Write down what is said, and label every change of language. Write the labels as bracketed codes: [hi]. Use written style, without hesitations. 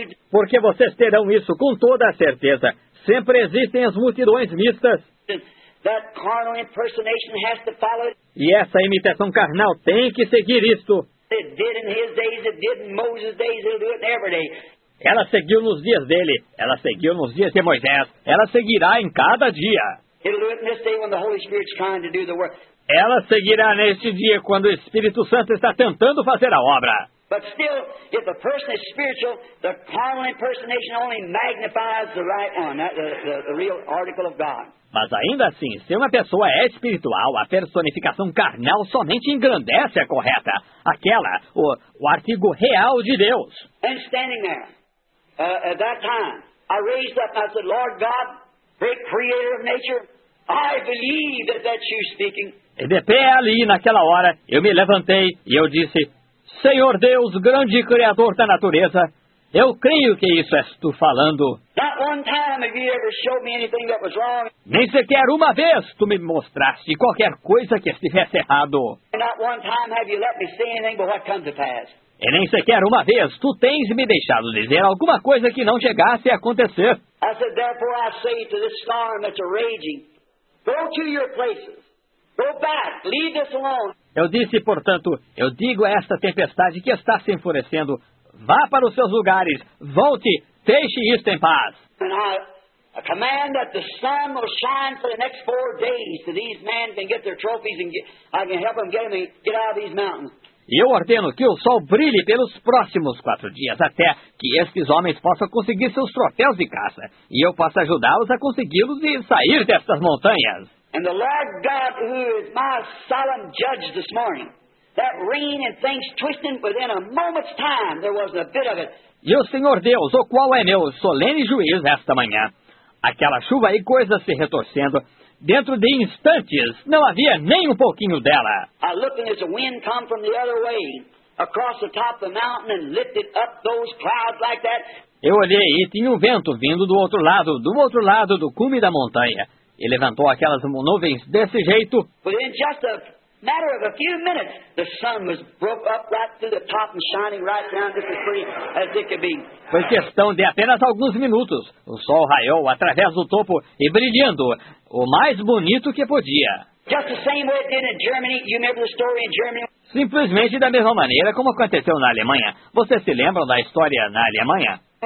[pt] Porque vocês terão isso com toda a certeza. Sempre existem as multidões mistas. [en] That carnal impersonation has to follow. [pt] E essa imitação carnal tem que seguir isto. [en] It did in his days, it did in Moses' days, it'll do it every day. [pt] Ela seguiu nos dias dele, ela seguiu nos dias de Moisés, ela seguirá em cada dia. [en] It'll do it in this day when the Holy Spirit's trying to do the work. [pt] Ela seguirá neste dia quando o Espírito Santo está tentando fazer a obra. [en] But still, if a person is spiritual, the carnal impersonation only magnifies the right one, the real article of God. [pt] Mas ainda assim, se uma pessoa é espiritual, a personificação carnal somente engrandece a correta, aquela, o artigo real de Deus. [en] And standing there, at that time, I raised up and I said, Lord God, great creator of nature, I believe that that's you speaking. [pt] E de pé ali, naquela hora, eu me levantei e eu disse, Senhor Deus, grande Criador da natureza, eu creio que isso és Tu falando. [en] Not one time have you ever showed me anything that was wrong. [pt] Nem sequer uma vez Tu me mostraste qualquer coisa que estivesse errado. [en] Not one time have you let me see anything but what comes to pass. [pt] E nem sequer uma vez Tu tens me deixado dizer alguma coisa que não chegasse a acontecer. [en] I said, therefore I say to this storm that's raging, go to your places. Go back. Leave this alone. [pt] Eu disse, portanto, eu digo a esta tempestade que está se enfurecendo, vá para os seus lugares, volte, deixe isto em paz. [en] And I A command that the sun will shine for the next 4 days so these men can get their trophies and I can help them get out of these mountains. [pt] E eu ordeno que o sol brilhe pelos próximos 4 dias, até que estes homens possam conseguir seus troféus de caça, e eu possa ajudá-los a consegui-los e sair destas montanhas. [en] And the Lord God, who is my solemn judge this morning, that rain and things twisting within a moment's time, there was a bit of it. [pt] E o Senhor Deus, o qual é meu solene juiz esta manhã, aquela chuva e coisas se retorcendo, dentro de instantes, não havia nem um pouquinho dela. [en] I looked as the wind come from the other way, across the top of the mountain and lifted up those clouds like that. [pt] Eu olhei e tinha um vento vindo do outro lado do cume da montanha. E levantou aquelas nuvens desse jeito. [en] But in just a matter of a few minutes, the sun was broke up right through the top and shining right down just as pretty as it could be. [pt] Foi questão de apenas alguns minutos. O sol raiou através do topo e brilhando o mais bonito que podia. [en] Just the same way it did in Germany. You remember the story in Germany? [pt] Simplesmente da mesma maneira como aconteceu na Alemanha. Vocês se lembram da história na Alemanha?